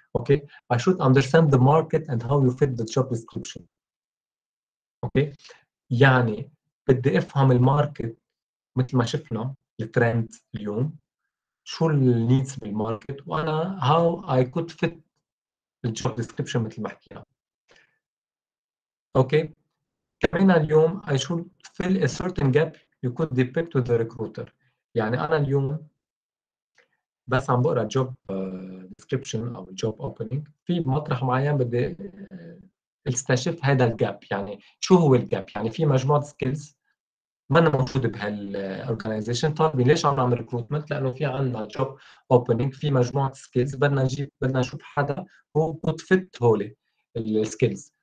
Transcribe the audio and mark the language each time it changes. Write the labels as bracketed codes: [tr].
[en] Okay, I should understand the market and how you fit the job description. [ar] Okay, يعني بدي أفهم الماركت مثل ما شفنا الترند اليوم شو needs بالماركت وأنا [en] how I could fit the job description [ar] مثل ما حكينا. [en] Okay, كمان اليوم I should fill a certain gap you could depict with the recruiter. [ar] يعني أنا اليوم بس عم بقرأ job description أو job opening في مطرح معين بدي استشف هذا الجاب. يعني شو هو الجاب؟ يعني في مجموعة skills ما أنا موجود بهالorganization. طيب ليش عم نعمل recruitment؟ لأنه في عنا job opening, في مجموعة skills بدنا نجيب, بدنا نشوف حدا هو [en] good fit [ar] هولي skills.